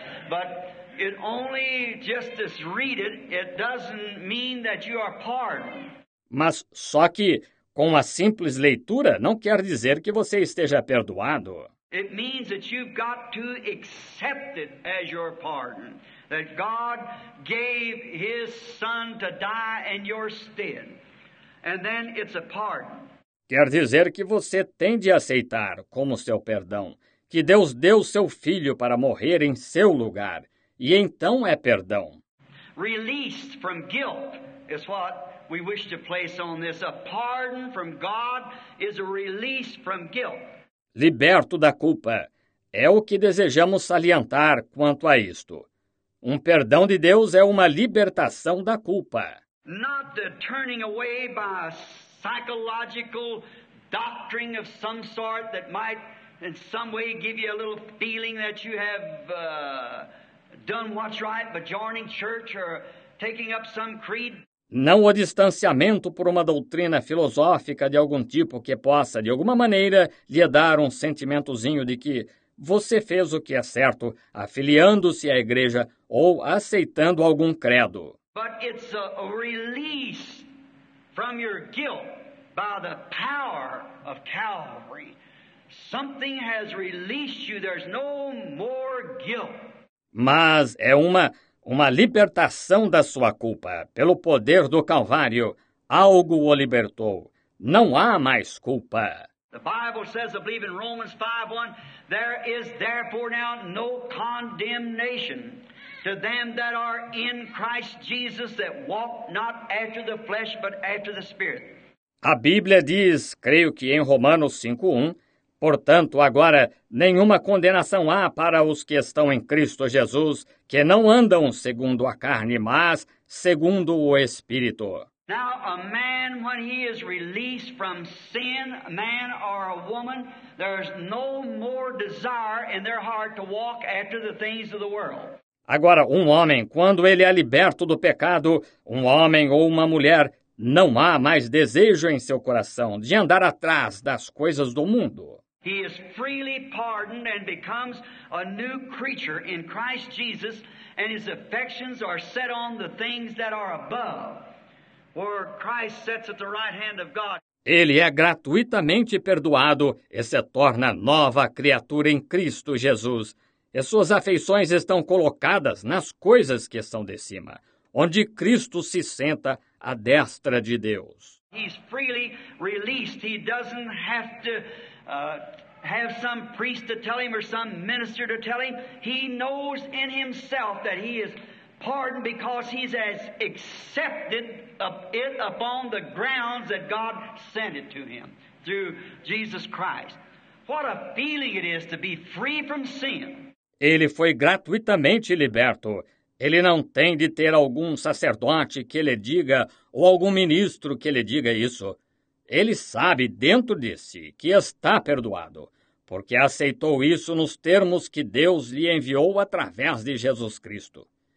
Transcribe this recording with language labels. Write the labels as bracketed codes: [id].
[en] But it only just as read it, it doesn't mean that you are pardoned. [pt] Mas só que com a simples leitura não quer dizer que você esteja perdoado. [en] It means that you've got to accept it as your pardon. That God gave his son to die in your stead. And then it's a pardon. [pt] Quer dizer que você tem de aceitar como seu perdão, que Deus deu seu filho para morrer em seu lugar, e então é perdão. [en] Released from guilt is what we wish to place on this. A pardon from God is a release from guilt. [pt] Liberto da culpa é o que desejamos salientar quanto a isto. Um perdão de Deus é uma libertação da culpa. [en] Not the turning away by a psychological doctrine of some sort that might in some way give you a little feeling that you have done what's right by joining church or taking up some creed. [pt] Não o distanciamento por uma doutrina filosófica de algum tipo que possa, de alguma maneira, lhe dar um sentimentozinho de que você fez o que é certo, afiliando-se à igreja ou aceitando algum credo. [en] But it's a release from your guilt by the power of Calvary. Something has released you. There's no more guilt. [pt] Mas é uma libertação da sua culpa. Pelo poder do Calvário, algo o libertou. Não há mais culpa. [en] The Bible says, I believe in Romans 5:1, there is therefore now no condemnation to them that are in Christ Jesus that walk not after the flesh but after the Spirit. [pt] A Bíblia diz, creio que em Romanos 5:1, portanto, agora nenhuma condenação há para os que estão em Cristo Jesus, que não andam segundo a carne, mas segundo o Espírito. [en] Now, a man, when he is released from sin, a man or a woman, there's no more desire in their heart to walk after the things of the world. [pt] Agora, homem, quando ele é liberto do pecado, homem ou uma mulher, não há mais desejo em seu coração de andar atrás das coisas do mundo. [en] He is freely pardoned and becomes a new creature in Christ Jesus, and his affections are set on the things that are above. Or Christ sits at the right hand of God. [pt] Ele é gratuitamente perdoado e se torna nova criatura em Cristo Jesus. E suas afeições estão colocadas nas coisas que estão de cima, onde Cristo se senta à destra de Deus. [en] He's freely released. He doesn't have to have some priest to tell him or some minister to tell him. He knows in himself that he is pardoned because he has accepted it upon the grounds that God sent it to him through Jesus Christ. What a feeling it is to be free from sin. [pt] Ele foi gratuitamente liberto. Ele não tem de ter algum sacerdote que lhe diga ou algum ministro que lhe diga isso. Ele sabe dentro de si que está perdoado, porque aceitou isso nos termos que Deus lhe enviou através de Jesus Cristo.